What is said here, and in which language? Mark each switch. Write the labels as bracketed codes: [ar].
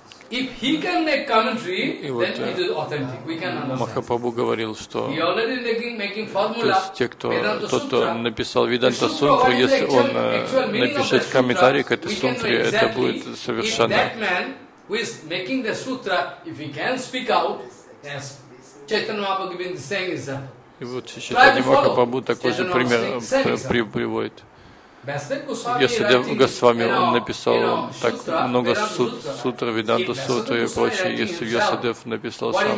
[en] If he can make commentary, then it is authentic. We can understand. [ru] Махапрабху говорил, что [en] he already making formula. [ru] То есть те, кто тот, кто написал Веданта Сутру, если он напишет комментарий к этой сутре, это будет совершенно. [en] If that man who is making the sutra, if he can speak out, yes, Chaitanya Mahaprabhu giving the same example. [ru] И вот Чайтанья Махапрабху такой же пример приводит. Если Госвами написал так много сутр, Веданта сутр и прочее, если Ясадев написал сам,